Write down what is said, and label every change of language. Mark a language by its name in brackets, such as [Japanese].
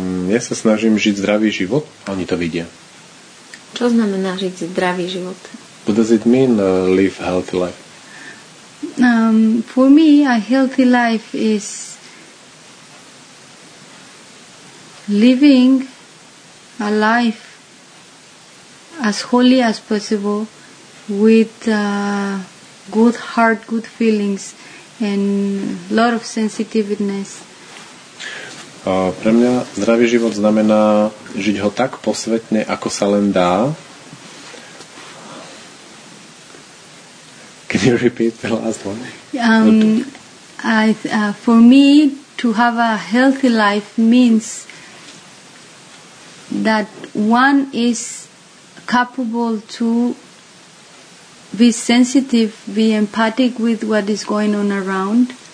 [Slovak] Ja sa snažím žiť zdravý život, oni to vidia. Čo znamená žiť zdravý život? [English] What does it mean, live healthy life? For me, a healthy life is living a life as holy as possible with good heart, good feelings and lot of sensitiveness. [Slovak] Pre mňa zdravý život znamená žiť ho tak posvetne, ako sa len dá. [English] Can you repeat the last one? For me, to have a healthy life means that one is capable to be sensitive, be empathic with what is going on around.